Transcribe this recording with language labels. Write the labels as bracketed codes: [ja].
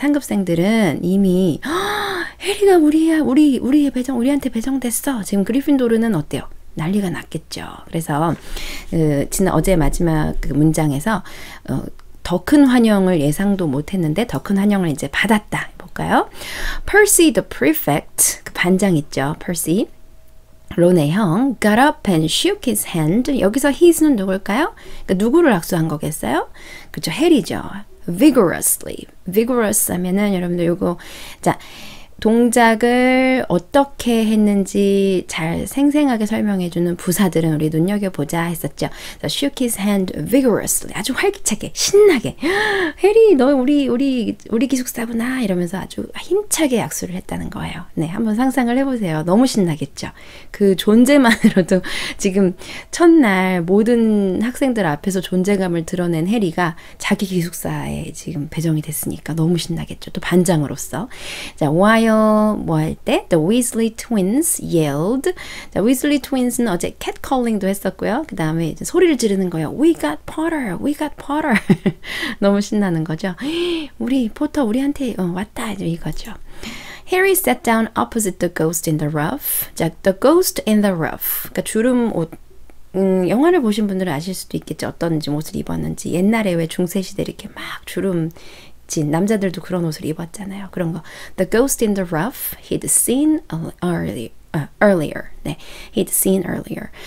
[ko] 상급생들은 이미 해리가 우리야, 우리의 배정, 우리한테 배정됐어. 지금 그리핀도르는 어때요? 난리가 났겠죠. 그래서 지난 어제 마지막 그 문장에서 더 큰 환영을 예상도 못했는데 더 큰 환영을 이제 받았다. 볼까요? Percy the Prefect, 그 반장 있죠. Percy. 론의 형, [en] got up and shook his hand. [ko] 여기서 his는 누굴까요? 그러니까 누구를 악수한 거겠어요? 그렇죠, 해리죠. vigorously. vigorous 하면은 여러분들 이거 자, 동작을 어떻게 했는지 잘 생생하게 설명해주는 부사들은 우리 눈여겨보자 했었죠. [en] So shook his hand vigorously. [ko] 아주 활기차게, 신나게. 해리, 너 우리 기숙사구나. 이러면서 아주 힘차게 악수를 했다는 거예요. 네, 한번 상상을 해보세요. 너무 신나겠죠. 그 존재만으로도 지금 첫날 모든 학생들 앞에서 존재감을 드러낸 해리가 자기 기숙사에 지금 배정이 됐으니까 너무 신나겠죠. 또 반장으로서. 자, 뭐할때 [en] The Weasley Twins yelled. [ko] 자, Weasley Twins는 어제 catcalling도 했었고요. 그 다음에 이제 소리를 지르는 거예요. [en] We got Potter! We got Potter! [ko] 너무 신나는 거죠. 우리 포터 우리한테 왔다 이거죠. [en] Harry sat down opposite the ghost in the rough. [ko] 자, [en] the ghost in the rough. [ko] 그러니까 주름 옷. 영화를 보신 분들은 아실 수도 있겠죠. 어떤 옷을 입었는지. 옛날에 왜 중세시대 이렇게 막 주름 진 남자들도 그런 옷을 입었잖아요. 그런 거. [en] The ghost in the rough he'd seen earlier. [ko] 네. [en] He'd seen earlier.